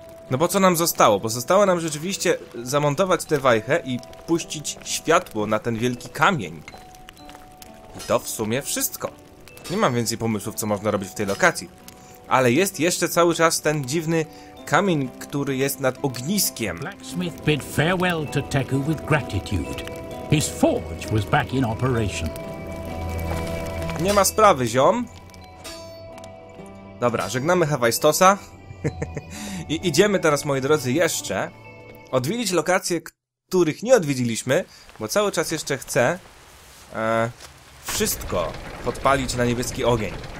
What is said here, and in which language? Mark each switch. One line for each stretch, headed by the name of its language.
Polish: No bo co nam zostało? Bo zostało nam rzeczywiście zamontować tę wajchę i puścić światło na ten wielki kamień. I to w sumie wszystko. Nie mam więcej pomysłów, co można robić w tej lokacji. Ale jest jeszcze cały czas ten dziwny kamień, który jest nad ogniskiem.
English: Blacksmith bid farewell to Teku with gratitude. His forge was back in operation.
Polish: Nie ma sprawy, ziom. Dobra, żegnamy Hewajstosa. I idziemy teraz, moi drodzy, jeszcze odwiedzić lokacje, których nie odwiedziliśmy, bo cały czas jeszcze chcę... wszystko podpalić na niebieski ogień.